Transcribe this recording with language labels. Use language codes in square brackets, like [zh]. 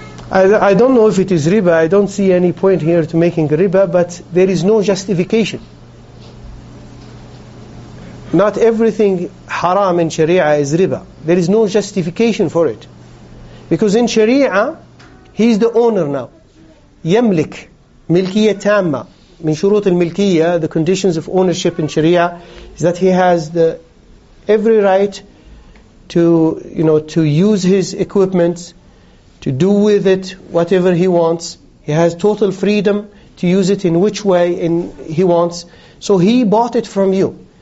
[en] I don't know if it is riba. I don't see any point here to making riba, but there is no justification. Not everything haram in Sharia is riba. There is no justification for it. Because in Sharia, he's the owner now. [ar] يملك ملكية تامة من شروط الملكية. [en] The conditions of ownership in Sharia is that he has the every right to, you know, to use his equipment, to do with it whatever he wants. He has total freedom to use it in which way he wants. So he bought it from you.